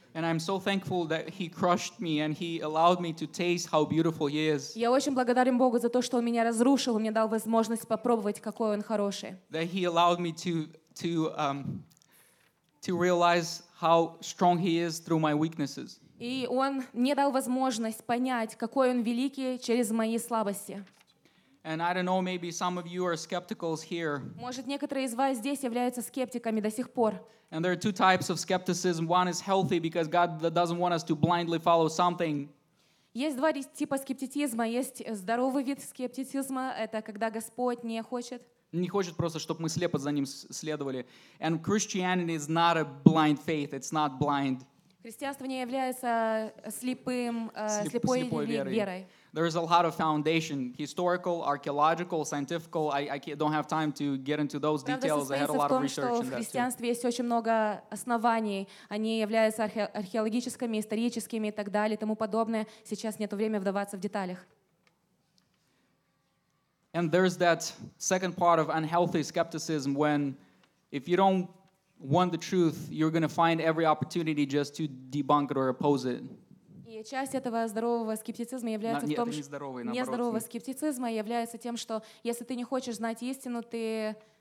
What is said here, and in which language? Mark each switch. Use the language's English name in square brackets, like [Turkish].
[English] And I'm so thankful that He crushed me and He allowed me to taste how beautiful He is. [Russian] Я очень благодарен Богу за то, что Он меня разрушил, Он мне дал возможность попробовать, какой Он хороший. [English] He allowed me to realize how strong He is through my weaknesses. [Russian] И Он мне дал возможность понять, какой Он великий через мои слабости. [English] And I don't know, maybe some of you are skeptics here. [Russian] Может, некоторые из вас здесь являются скептиками до сих пор. [English] And there are two types of skepticism. One is healthy because God doesn't want us to blindly follow something. [Russian] Есть два типа скептицизма. Есть здоровый вид скептицизма. Это когда Господь не хочет. Не хочет просто, чтобы мы слепо за ним следовали. [English] And Christianity is not a blind faith. It's not blind. [Russian] Христианство не является слепой верой. [English] There is a lot of foundation, historical, archaeological, scientific. I don't have time to get into those details. I had a lot of research in that too. [Russian] В христианстве есть очень много оснований. Они являются археологическими, историческими и так далее, тому подобное. Сейчас нету времени вдаваться в деталях. [English] And there's that second part of unhealthy skepticism when if you don't want the truth, you're going to find every opportunity just to debunk it or oppose it. [Russian] И часть этого здорового скептицизма является в том, что нездорового скептицизма является тем, что если ты не хочешь знать истину, ты